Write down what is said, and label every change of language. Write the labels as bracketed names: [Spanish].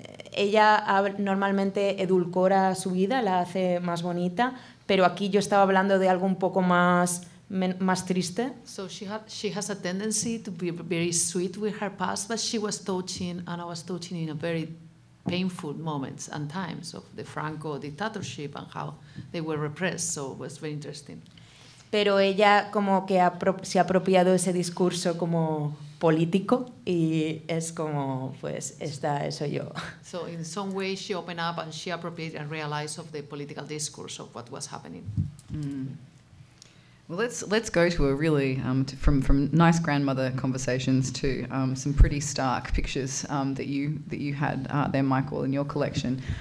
[Spanish] Ella normalmente edulcora su vida, la hace más bonita, pero aquí yo estaba hablando de algo un poco más triste. [English] So she has a tendency to be very sweet with her past, but she was touching, and I was touching in a very painful moments and times of the Franco dictatorship and how they were repressed, so it was very interesting. [Spanish] Pero ella como que se ha apropiado ese discurso como político y es como pues está eso yo. [English] So in some way she opened up and she appropriated and realized of the political discourse of what was happening. Well, let's go to a really from nice grandmother conversations to some pretty stark pictures that you had there, Michael, in your collection.